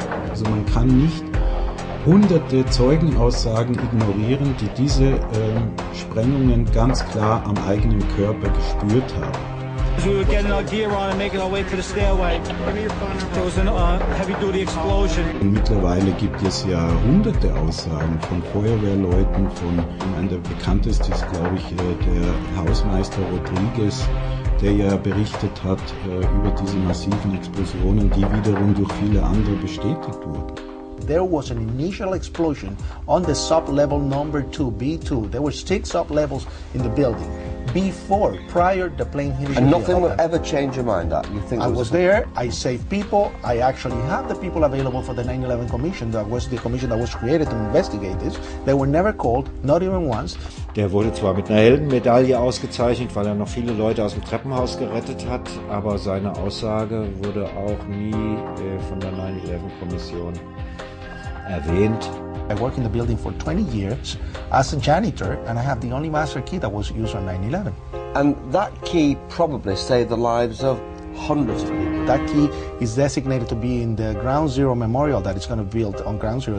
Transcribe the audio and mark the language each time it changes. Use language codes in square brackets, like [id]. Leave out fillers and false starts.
[de] Also man kann nicht hunderte Zeugenaussagen ignorieren, die diese Sprengungen ganz klar am eigenen Körper gespürt haben. [en] We were getting our gear on and making our way to the stairway. There was a heavy-duty explosion. [de] Und mittlerweile gibt es ja hunderte Aussagen von Feuerwehrleuten, von, ich meine, der bekannteste ist, glaube ich, der Hausmeister Rodriguez, der ja berichtet hat über diese massiven Explosionen, die wiederum durch viele andere bestätigt wurden. [en] There was an initial explosion on the sub-level number 2, B2. There were 6 sub-levels in the building before, prior to the plane hitting the building. And nothing will ever change your mind that you think I was there, I saved people, I actually had the people available for the 9/11 commission, that was the commission that was created to investigate this. They were never called, not even once. [de] Der wurde zwar mit einer Heldenmedaille ausgezeichnet, weil er noch viele Leute aus dem Treppenhaus gerettet hat, aber seine Aussage wurde auch nie von der 9/11-Kommission erwähnt. [en] I work in the building for 20 years as a janitor and I have the only master key that was used on 9/11. And that key probably saved the lives of hundreds of people. That key is designated to be in the Ground Zero Memorial that is going to be built on Ground Zero.